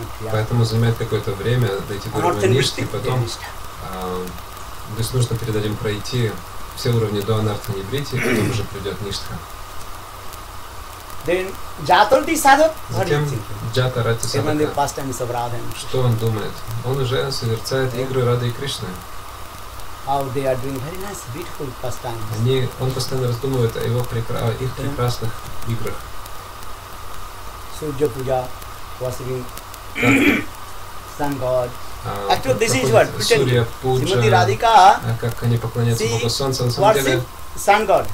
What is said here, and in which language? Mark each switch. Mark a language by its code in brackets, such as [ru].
[ru] Поэтому занимает какое-то время дойти до уровня ништхи, потом то есть нужно перед этим пройти все уровни до анартха нибритхи, и потом уже придет ништха. [en] Then, jatanti sadhu, [ru] затем Джата Рати Садака. Что он думает? Он уже созерцает игры Рады и Кришны. [en] How they are doing very nice, beautiful pastimes. [ru] Они, он постоянно раздумывает о его их прекрасных играх. [en] Surya Puja, worshiping Sun God. Actually, this is what Surya Puja. Srimati Radhika. [ru] Как они поклоняются Богу Солнца на самом деле? [en] Sun God.